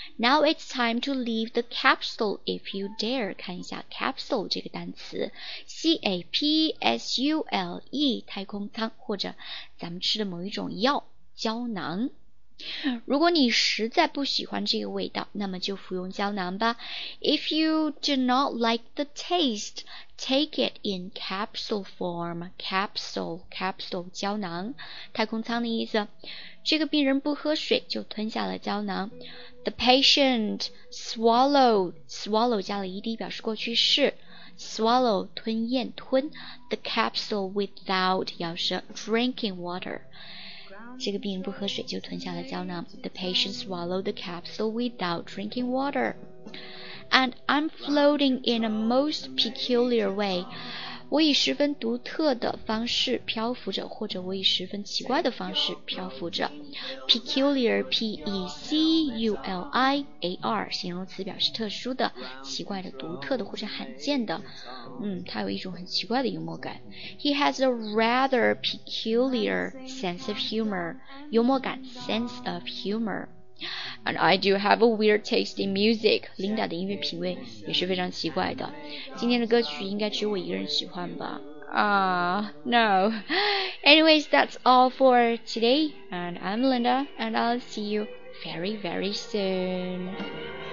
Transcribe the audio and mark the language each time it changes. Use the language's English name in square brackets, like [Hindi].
[English] Now it's time to leave the capsule if you dare， [Chinese] 看一下 capsule 这个单词， C-A-P-S-U-L-E 太空舱，或者咱们吃的某一种药胶囊。如果你实在不喜欢这个味道，那么就服用胶囊吧。 [English] If you do not like the taste, take it in capsule form. [Chinese] Capsule, 胶囊，太空舱的意思。这个病人不喝水，就吞下了胶囊。 [English] The patient swallowed [Chinese] 加了 ed 表示过去式。 [English] Swallow, [Chinese] 吞咽吞。 [English] The capsule without [Chinese] 咬舌 [English] drinking water. [Chinese] 这个病人不喝水就吞下了胶囊。 [English] The patient swallowed the capsule without drinking water. And I'm floating in a most peculiar way. [Chinese] 我以十分独特的方式漂浮着，或者我以十分奇怪的方式漂浮着。 Peculiar, P-E-C-U-L-I-A-R, 形容词表示特殊的、奇怪的、独特的或者罕见的。他有一种很奇怪的幽默感。 [English] He has a rather peculiar sense of humor. [Chinese] 幽默感 , [English] sense of humor. And I do have a weird taste in music. [Chinese] Linda 的音乐品味也是非常奇怪的。今天的歌曲应该只有我一个人喜欢吧。 [English] No. Anyways, that's all for today. And I'm Linda, and I'll see you very, very soon.